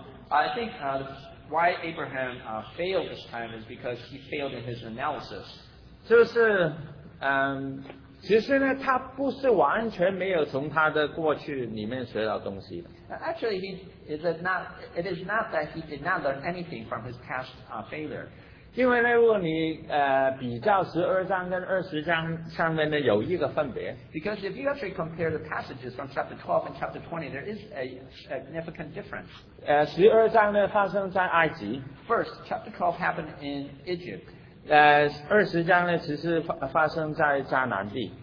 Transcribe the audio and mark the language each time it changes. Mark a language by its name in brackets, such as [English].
[English] I think why Abraham failed this time is because he failed in his analysis. [Chinese] 就是其实呢他不是完全没有从他的过去里面学到东西的。 [English] Actually, it is not that he did not learn anything from his past failure. [Chinese] 因为呢如果你比较十二章跟二十章上面呢有一个分别。 [English] Because if you actually compare the passages from chapter 12 and chapter 20, there is a significant difference. [Chinese] 十二章呢发生在埃及。 [English] First, chapter 12 happened in Egypt. [Chinese] 二十章呢其实发生在迦南地。